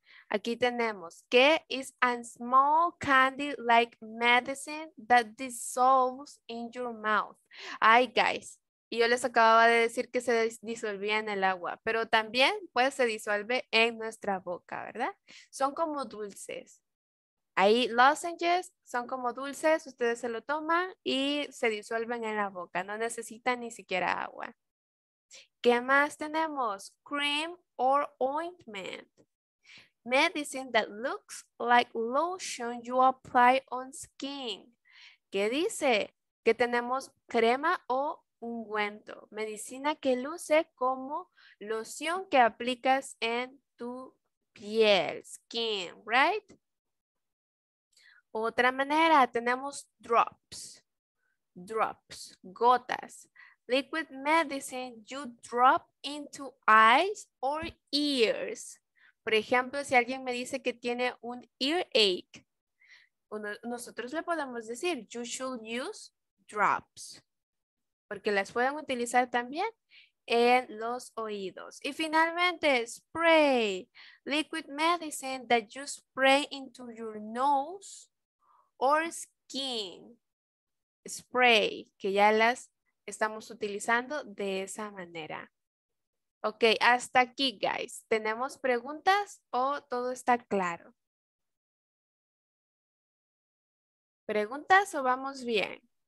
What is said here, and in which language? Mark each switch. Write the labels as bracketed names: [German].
[Spanish] Aquí tenemos que [English] is a small candy like medicine that dissolves in your mouth. Ay, guys. [Spanish] Y yo les acababa de decir que se disolvía en el agua, pero también pues se disuelve en nuestra boca, ¿verdad? Son como dulces. Ahí, lozenges son como dulces, ustedes se lo toman y se disuelven en la boca, no necesitan ni siquiera agua. ¿Qué más tenemos? [English] Cream or ointment. Medicine that looks like lotion you apply on skin. [Spanish] ¿Qué dice? Que tenemos crema o ungüento, medicina que luce como loción que aplicas en tu piel, skin, right? Otra manera, tenemos [English] drops, gotas, liquid medicine you drop into eyes or ears. [Spanish] Por ejemplo, si alguien me dice que tiene un earache, nosotros le podemos decir, [English] you should use drops. [Spanish] Porque las pueden utilizar también en los oídos. Y finalmente, spray. [English] Liquid medicine that you spray into your nose or skin. [Spanish] Spray, que ya las estamos utilizando de esa manera. Ok, hasta aquí, guys. ¿Tenemos preguntas o todo está claro? ¿Preguntas o vamos bien?